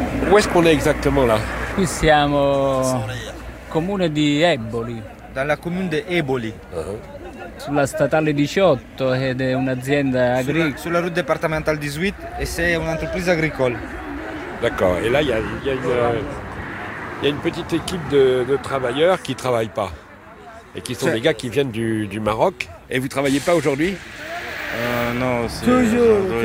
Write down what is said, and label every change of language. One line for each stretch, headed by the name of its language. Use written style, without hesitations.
French: Où est-ce qu'on est exactement là?
Italian: Qui siamo comune di Eboli.
French: Dans la commune de Eboli.
Italian: Sulla statale 18 ed è un'azienda agricola. Sulla
French: route départementale 18 et c'est une entreprise agricole. D'accord. Et là il y a une petite équipe de travailleurs qui travaillent pas. Et qui sont c'est... des gars qui viennent du Maroc et vous travaillez pas aujourd'hui? Non, c'est toujours.